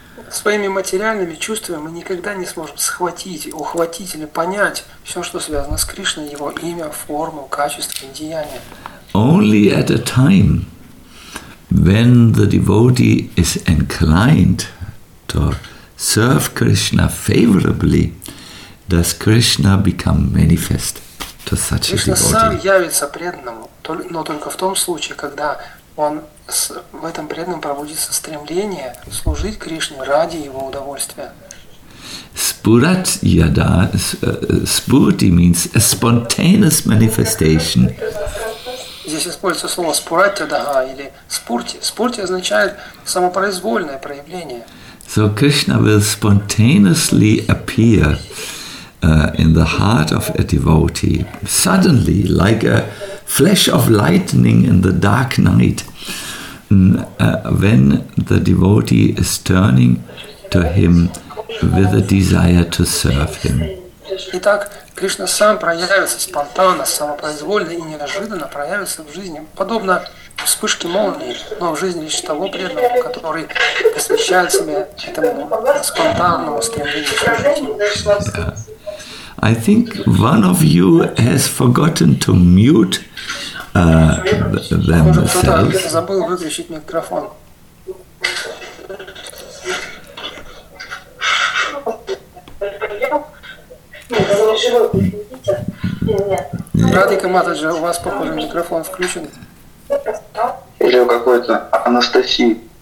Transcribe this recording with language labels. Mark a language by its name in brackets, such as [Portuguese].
[Russian] Своими материальными чувствами мы никогда не сможем схватить, ухватить или понять все, что связано с Кришной, его имя, форму, качество, деяния. [English] Only at a time when the devotee is inclined to serve Krishna favorably, does Krishna become manifest to such Krishna [Russian] Krishna сам явится преданному, но только в том случае, когда он в этом преданном пробудится стремление служить Кришне ради его удовольствия. [English] Spurat yada, spurati means a spontaneous manifestation. [Russian] Здесь используется слово spurat yada или spurti. Spurti означает самопроизвольное проявление. [English] So Krishna will spontaneously appear in the heart of a devotee, suddenly, like a flash of lightning in the dark night. when the devotee is turning to him with a desire to serve him. [Russian] Итак, Кришна сам проявится спонтанно, самопроизвольно и неожиданно проявится в жизни, подобно вспышке молнии, но в жизни лишь того преданного, который посвящает себя этому спонтанному стремлению к жизни. [English] I think one of you has forgotten to mute themselves. [Russian] Забыл выключить микрофон. Радика Матаджи, у вас, похоже, микрофон включен. Или у какой-то Анастасии.